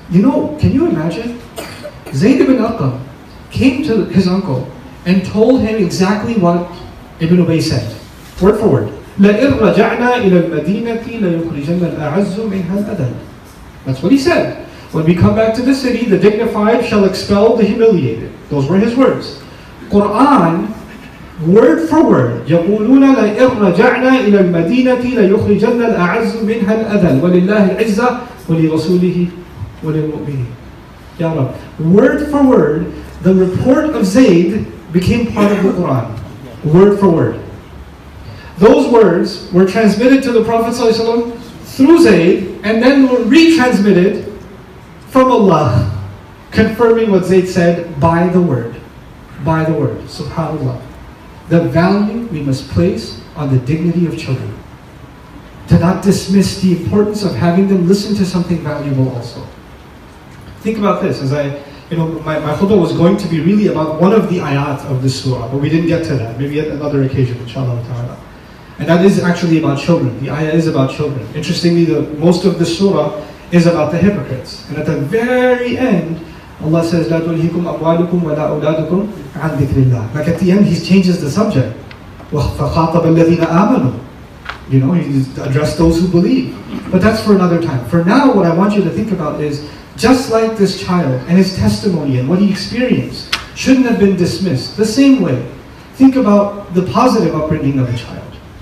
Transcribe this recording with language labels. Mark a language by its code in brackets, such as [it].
[en] You know, can you imagine? Zayd ibn Arqam came to his uncle and told him exactly what Ibn Ubay said. Word for word. [ar] لَإِنْ رَجَعْنَا إِلَى الْمَدِينَةِ لَيُخْرِجَنَّ الْأَعَزُّ مِنْهَا الْأَدَلْ. [en] That's what he said. When we come back to the city, the dignified shall expel the humiliated. Those were his words. Quran, word for word, [ar] يَقُولُونَ لَإِنْ رَجَعْنَا إِلَى الْمَدِينَةِ لَيُخْرِجَنَّ الْأَعَزُّ مِنْهَا الْأَدَلْ وَلِلَّهِ الْعِزَّةِ وَلِرَسُولِهِ وَلِلْمُؤْمِنِينَ. Ya Rab. [en] Word for word, the report of Zayd became part of the Quran. Word for word. Those words were transmitted to the Prophet ﷺ through Zayd, and then were retransmitted from Allah, confirming what Zayd said by the word. By the word. SubhanAllah. The value we must place on the dignity of children. To not dismiss the importance of having them listen to something valuable also. Think about this. As I, you know, my khutbah was going to be really about one of the ayat of the surah, but we didn't get to that. Maybe at another occasion, inshallah ta'ala. And that is actually about children. The ayah is about children. Interestingly, most of the surah is about the hypocrites. And at the very end, Allah says, [ar] لَا تُلْهِكُمْ أَمْوَالُكُمْ وَلَا أَوْلَادُكُمْ عَنْ ذِكْرِ اللَّهِ. [en] Like at the end, He changes the subject. [ar] وَخَاطَبَ الَّذِينَ آمَنُوا. [en] You know, He addressed those who believe. But that's for another time. For now, what I want you to think about is, just like this child and his testimony and what he experienced shouldn't have been dismissed, the same way, think about the positive upbringing of a child.